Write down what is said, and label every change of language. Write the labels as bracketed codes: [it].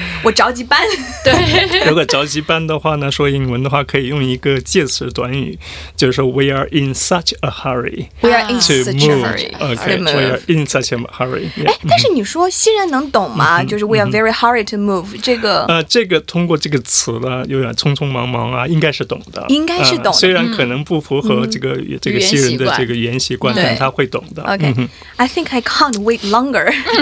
[zh] 我着急搬。对。如果着急搬的话呢，说英文的话可以用一个介词短语，就是说 [en] we are in such a hurry. We are in such a hurry. Okay, we are in such a hurry. [zh] 哎，但是你说新人能懂吗？就是 [en] we are very hurried to move [zh] 这个。这个通过这个词呢，有点匆匆忙忙啊，应该是懂的。应该是懂的。虽然可能不符合这个新人的这个原习惯，但他会懂的。 [en] Okay, I think I can't wait longer.